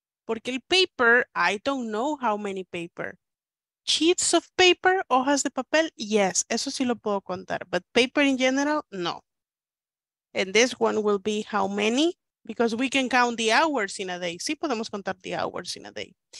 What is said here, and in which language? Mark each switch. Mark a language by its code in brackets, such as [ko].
[es] Porque el [en] paper, I don't know how many paper. Sheets of paper, [es] hojas de papel, yes, eso sí lo puedo contar. [en] But paper in general, no. And this one will be how many, because we can count the hours in a day. [es] Sí podemos contar [en] the hours in a day.